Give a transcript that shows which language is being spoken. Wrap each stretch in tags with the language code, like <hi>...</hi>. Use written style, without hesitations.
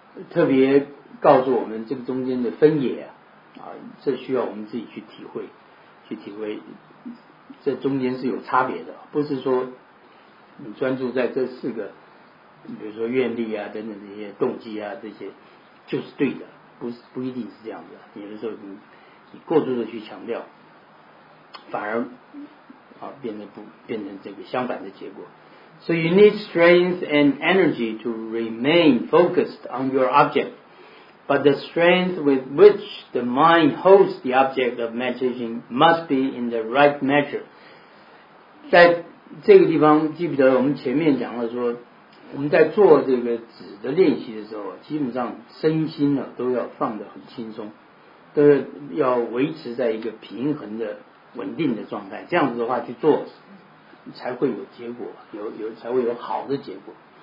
<zh>特别告诉我们这个中间的分野 啊这需要我们自己去体会这中间是有差别的，不是说你专注在这四个比如说愿力啊等等这些动机啊这些就是对的，不一定是这样子，有的时候你过度的去强调反而好，变成这个相反的结果。</zh> <en>So you need strength and energy to remain focused on your object, but the strength with which the mind holds the object of meditation must be in the right measure.</en> <zh>在这个地方，记不得我们前面讲了说，我们在做这个止的练习的时候，基本上身心呢都要放得很轻松，都要维持在一个平衡的。稳定的状态，这样子的话去做才会有结果，有才会有好的结果。</zh>